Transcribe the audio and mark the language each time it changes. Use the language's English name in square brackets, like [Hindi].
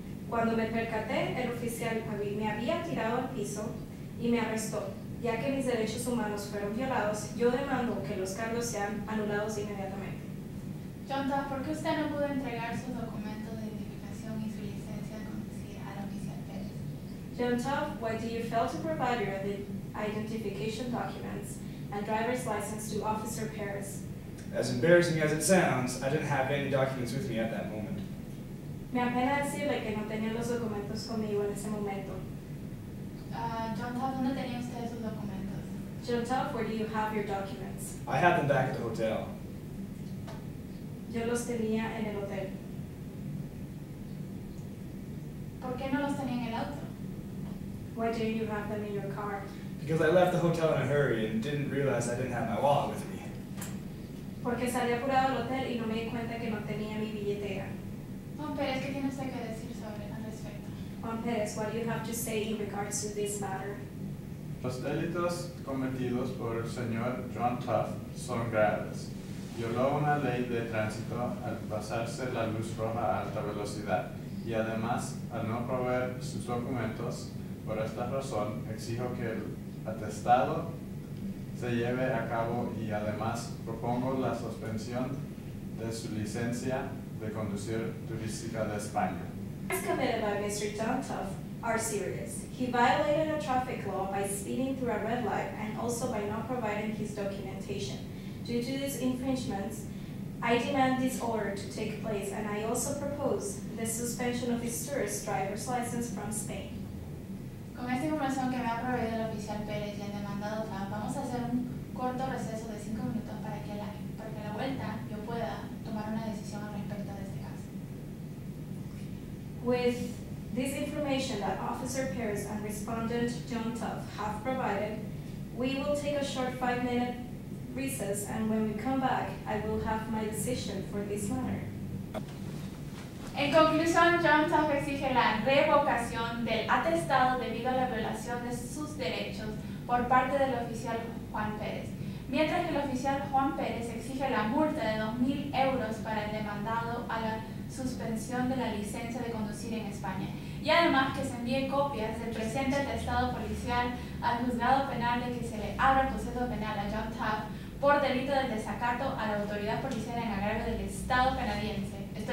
[Spanish] Cuando me percaté, el oficial me había tirado al piso y me arrestó. Ya que mis derechos humanos fueron violados, yo demando que los cargos sean anulados inmediatamente. John Tough, ¿por qué usted no pudo entregar sus documentos de identificación y su licencia de conducir al oficial Pérez? [English] John Tough, why did you fail to provide your identification documents and driver's license to Officer Pérez? As embarrassing as it sounds, I didn't have any documents with me at that moment. [Spanish] Me apena decirle que no tenía los documentos conmigo en ese momento. John Tough, ¿dónde tenía usted sus documentos? [English] John Tough, where do you have your documents? I had them back at the hotel. [Spanish] Yo los tenía en el hotel. ¿Por qué no los tenía en el auto? [English] Why didn't you have them in your car? Because I left the hotel in a hurry and didn't realize I didn't have my wallet with me. [Spanish] Porque salí apurado al hotel y no me di cuenta que no tenía mi billetera. Juan Pérez, ¿qué tiene usted que decir sobre al respecto? [English] Juan Pérez, what do you have to say in regards to this matter? [Spanish] Los delitos cometidos por el señor John Tough son graves. Violó una ley de tránsito al pasarse la luz roja a alta velocidad. Y además, al no proveer sus documentos, por esta razón, exijo que el atestado se lleve a cabo y además propongo la suspensión de su licencia de conducir turística de España. [English] The acts committed by Mr. John Tough are serious. He violated a traffic law by speeding through a red light and also by not providing his documentation. Due to these infringements, I demand this order to take place and I also propose the suspension of his tourist driver's license from Spain. [Spanish] Con esta información que me ha proveído el oficial Pérez y el demandado Tan, vamos a hacer un corto receso de 5 minutos para que a la vuelta yo pueda tomar una decisión al respecto de este caso. [English] With this information that Officer Pérez and respondent John Tough have provided, we will take a short 5-minute recess, and when we come back, I will have my decision for this matter. [Spanish] En conclusión, John Tuff exige la revocación del atestado debido a la violación de sus derechos por parte del oficial Juan Pérez, mientras que el oficial Juan Pérez exige la multa de 2,000 euros para el demandado a la suspensión de la licencia de conducir en España, y además que se envíe copias del presente atestado policial al juzgado penal de que se le abra proceso penal a John Tuff por delito de desacato a la autoridad policial en agravio del Estado canadiense.